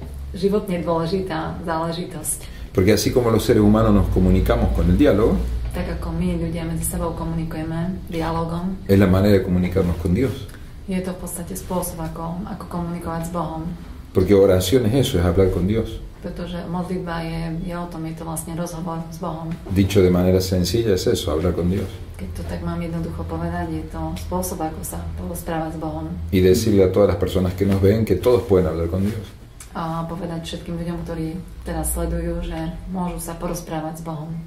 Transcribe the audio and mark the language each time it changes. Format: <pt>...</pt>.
<sk>Životne dôležitá záležitosť.</sk> <es>Porque así como los seres humanos nos comunicamos con el diálogo,</es> <sk>tak ako my ľudia medzi sebou komunikujeme dialogom,</sk> <es>es la manera de comunicarnos con Dios.</es> <sk>Je to v podstate spôsob, ako komunikovať s Bohom.</sk> <es>Porque oración es eso, es hablar con Dios.</es> <sk>Pretože modlitba je o tom, je to vlastne rozhovor s Bohom.</sk> <es>Dicho de manera sencilla es eso, hablar con Dios.</es> <sk>Keď to tak mám jednoducho povedať, je to spôsob, ako sa porozprávať s Bohom.</sk> <es>Y decirle a todas las personas que nos ven que todos pueden hablar con Dios.</es> <sk>A povedať všetkým ľuďom, ktorí teraz sledujú, že môžu sa porozprávať s Bohom.</sk>